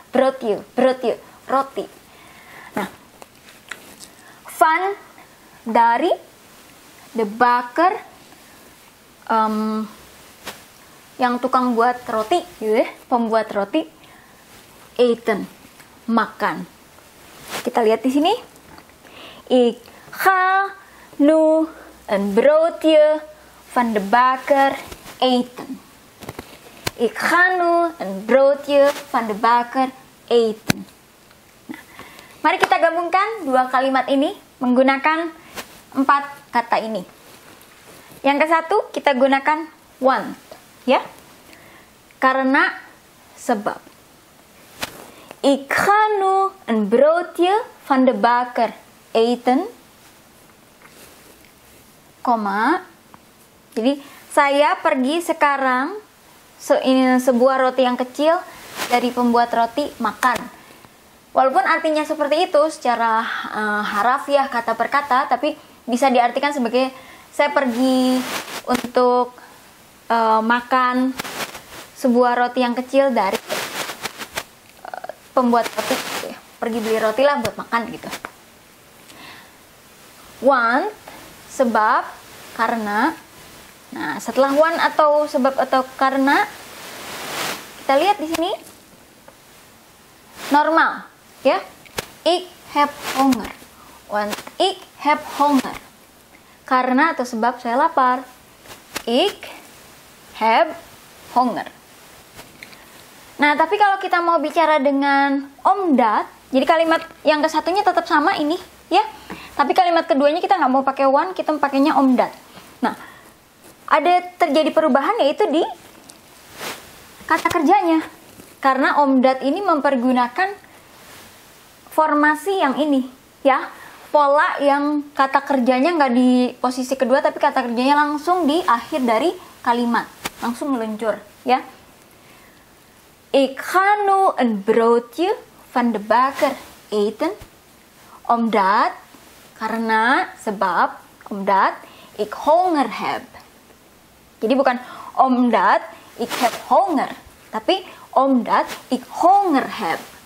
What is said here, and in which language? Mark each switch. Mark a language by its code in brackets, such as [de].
[nl] Broodje, broodje, roti. [id] Nah, van dari de bakker, yang tukang buat roti, gitu ya, pembuat roti, eten, makan. Kita lihat di sini, [nl] ik ha nu een broodje van de bakker eten. Ik ha nu een broodje van de bakker eten. [id] Nah, mari kita gabungkan dua kalimat ini menggunakan empat kata ini. Yang ke satu kita gunakan want, ya. Karena sebab. [nl] Ik ga nu een broodje van de bakker eten. [id] Koma. Jadi saya pergi sekarang ini sebuah roti yang kecil dari pembuat roti makan. Walaupun artinya seperti itu secara harafiah kata per kata, tapi bisa diartikan sebagai saya pergi untuk makan sebuah roti yang kecil dari pembuat roti, pergi beli roti lah buat makan gitu. Want, sebab, karena. Nah, setelah want atau sebab atau karena, kita lihat di sini normal, ya. [nl] Ik heb honger. Want, ik heb honger. [id] karena atau sebab saya lapar. [nl] Ik heb honger. [id] Nah, tapi kalau kita mau bicara dengan omdat, jadi kalimat yang kesatunya tetap sama ini, ya. Tapi kalimat keduanya kita nggak mau pakai one, kita pakainya omdat. Nah, ada terjadi perubahan yaitu di kata kerjanya. Karena omdat ini mempergunakan formasi yang ini, ya. Pola yang kata kerjanya nggak di posisi kedua, tapi kata kerjanya langsung di akhir dari kalimat. Langsung meluncur, ya. [nl] Ik ga nu een broodje van de bakker eten. Omdat, karena, sebab, omdat, ik honger heb. [id] Jadi bukan [nl] omdat, ik heb honger. Tapi, omdat, ik honger heb.